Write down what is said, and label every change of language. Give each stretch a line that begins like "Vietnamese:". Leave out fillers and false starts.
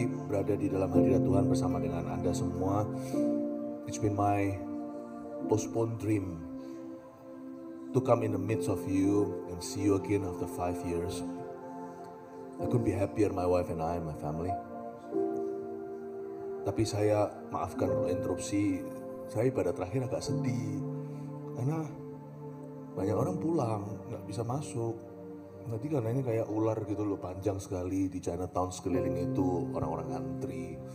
Indonesian: berada di dalam hadirat Tuhan bersama dengan Anda semua.
English: It's been my postponed dream to come in the midst of you and see you again after 5 years. I couldn't be happier, my wife and I, my family.
Indonesian: Tapi saya maafkan untuk interupsi, saya pada terakhir agak sedih karena banyak orang pulang, gak bisa masuk. Nanti karena ini kayak ular gitu loh, panjang sekali di Chinatown sekeliling itu, orang-orang ngantri.